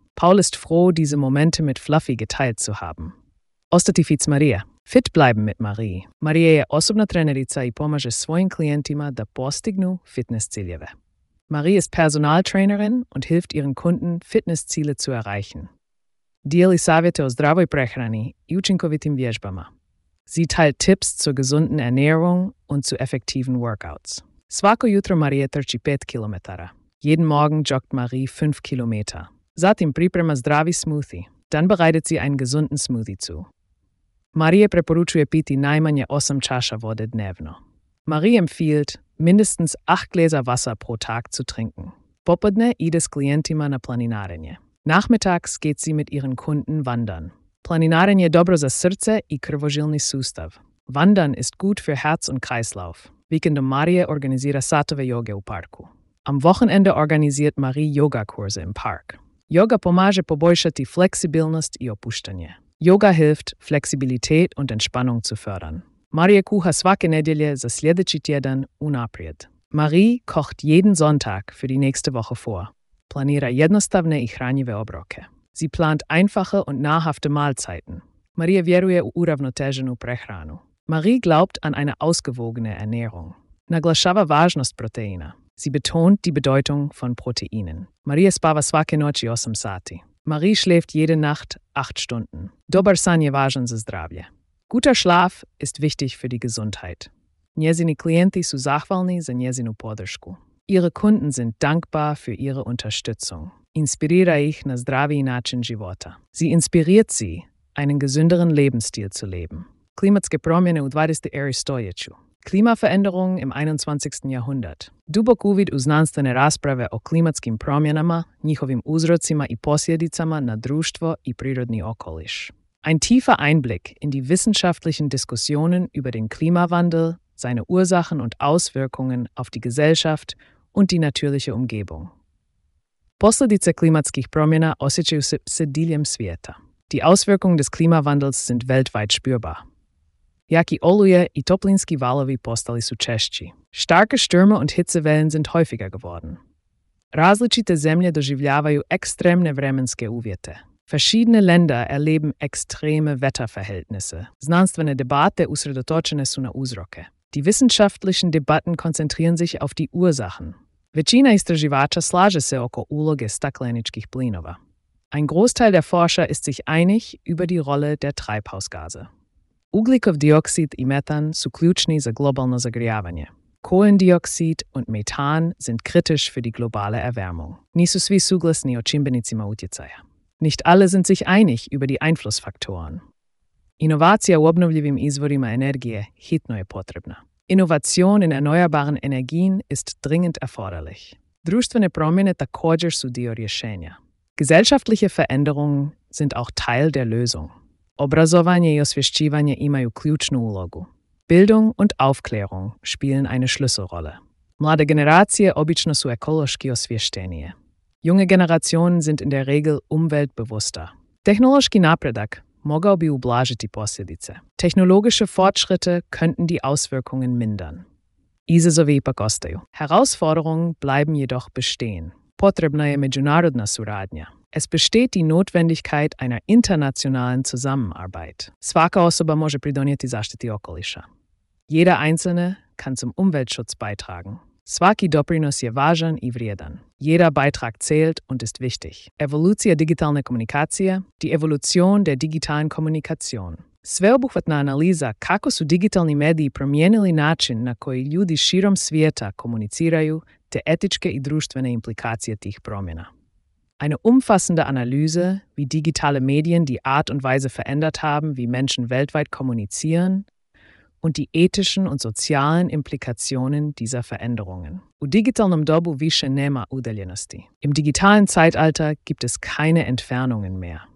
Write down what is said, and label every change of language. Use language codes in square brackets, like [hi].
[de] Paul ist froh, diese Momente mit Fluffy geteilt zu haben. [hr] Ostati fitz Maria. [de] Fit bleiben mit Marie. [hr] Marie je osobna trenerica i pomaže svojim klijentima da postignu fitnessciljeve. [de] Marie ist Personaltrainerin und hilft ihren Kunden, Fitnessziele zu erreichen. [hr] Dijeli savjete o zdravoj prehrani i učinkovitim vježbama. [de] Sie teilt Tipps zur gesunden Ernährung und zu effektiven Workouts. [hr] Svako jutro Marie trči 5 km. [de] Jeden Morgen joggt Marie 5 km. [hr] Zatim priprema zdravi smoothie. [de] Dann bereitet sie einen gesunden Smoothie zu. [hr] Marie preporučuje piti najmanje 8 čaša vode dnevno. [de] Marie empfiehlt, mindestens 8 Gläser Wasser pro Tag zu trinken. [hr] Popodne ide s klijentima na planinarenje. [de] Nachmittags geht sie mit ihren Kunden wandern. [hr] Planinarenje je dobro za srce i krvožilni sustav. [de] Wandern ist gut für Herz und Kreislauf. [hr] Vikendom Marie organizira satove joge u parku. [de] Am Wochenende organisiert Marie Yoga-Kurse im Park. [hr] Yoga pomaže poboljšati fleksibilnost i opuštanje. [de] Yoga hilft, Flexibilität und Entspannung zu fördern. [hr] Marie kuha svake nedelje za sljedeći tjedan unaprijed. [de] Marie kocht jeden Sonntag für die nächste Woche vor. [hr] Planira jednostavne i hranjive obroke. [de] Sie plant einfache und nahrhafte Mahlzeiten. [hr] Marie vjeruje u uravnoteženu prehranu. [de] Marie glaubt an eine ausgewogene Ernährung. [hr] Naglašava važnost proteina. [de] Sie betont die Bedeutung von Proteinen. [hr] Marie spava svake noći 8 sati. [de] Marie schläft jede Nacht 8 Stunden. [hr] Dobar san je važan za zdravlje. [de] Guter Schlaf ist wichtig für die Gesundheit. [hr] Njezini klijenti su zahvalni za njezinu podršku. [de] Ihre Kunden sind dankbar für ihre Unterstützung. [hr] Inspirira ih na zdravi način života. [de] Sie inspiriert sie, einen gesünderen Lebensstil zu leben. [hr] Klimatske promjene u 20. stoljeću. [de] Klimaveränderungen im 21. Jahrhundert. [hr] Dubok uvid u znanstvene rasprave o klimatskim promjenama, njihovim uzrocima i posljedicama na društvo i prirodni okoliš. [de] Ein tiefer Einblick in die wissenschaftlichen Diskussionen über den Klimawandel, seine Ursachen und Auswirkungen auf die Gesellschaft und die natürliche Umgebung. [hr] Posljedice klimatskih promjena osjećaju se diljem svijeta. [de] Die Auswirkungen des Klimawandels sind weltweit spürbar. [hr] Jaki oluje i toplinski valovi postali su češći. [de] Starke Stürme und Hitzewellen sind häufiger geworden. [hr] Različite zemlje doživljavaju ekstremne vremenske uvjete. [de] Verschiedene Länder erleben extreme Wetterverhältnisse. [hr] Znanstvene debate usredotočene su na uzroke. [de] Die wissenschaftlichen Debatten konzentrieren sich auf die Ursachen. [hr] Većina istraživača slaže se oko uloge stakleničkih plinova. [de] Ein Großteil der Forscher ist sich einig über die Rolle der Treibhausgase. [hr] Ugljikovdioksid i metan su ključni za globalno zagrijavanje. [de] Kohlendioksid und Methan sind kritisch für die globale Erwärmung. [hr] Nisu svi suglasni o čimbenicima utjecaja. [de] Nicht alle sind sich einig über die Einflussfaktoren. [hr] Inovacija u obnovljivim izvorima energije hitno je potrebna. [de] Innovation in erneuerbaren Energien ist dringend erforderlich. [hr] Društvene promjene također su dio rješenja. [de] Gesellschaftliche Veränderungen sind auch Teil der Lösung. [hr] Obrazovanje i osvješćivanje imaju ključnu ulogu. [de] Bildung und Aufklärung spielen eine Schlüsselrolle. [hr] Mlade generacije obično su ekološki osvještenije. [de] Junge Generationen sind in der Regel umweltbewusster. Technologischer [hr] Napredak mogao bi ublažiti posljedice. [de] Technologische Fortschritte könnten die Auswirkungen mindern. [hr] Izazovi ipak ostaju. [de] Herausforderungen bleiben jedoch bestehen. [hr] Potrebna je međunarodna suradnja. [de] Es besteht die Notwendigkeit einer internationalen Zusammenarbeit. [hr] Svaka osoba može pridonijeti zaštiti okoliša. [de] Jeder Einzelne kann zum Umweltschutz beitragen. [hr] Svaki doprinos je važan i vrijedan. [de] Jeder Beitrag zählt und ist wichtig. [hr] Evolucija digitalne komunikacije, [de] die Evolution der digitalen Kommunikation. [hr] Sveobuhvatna analiza kako su digitalni mediji promijenili način na koji ljudi širom svijeta komuniciraju te etičke i društvene implikacije tih promjena. [de] Eine umfassende Analyse, wie digitale Medien die Art und Weise verändert haben, wie Menschen weltweit kommunizieren, und die ethischen und sozialen Implikationen dieser Veränderungen. [hr] U digitalnom dobu više nema udaljenosti. [de] Im digitalen Zeitalter gibt es keine Entfernungen mehr.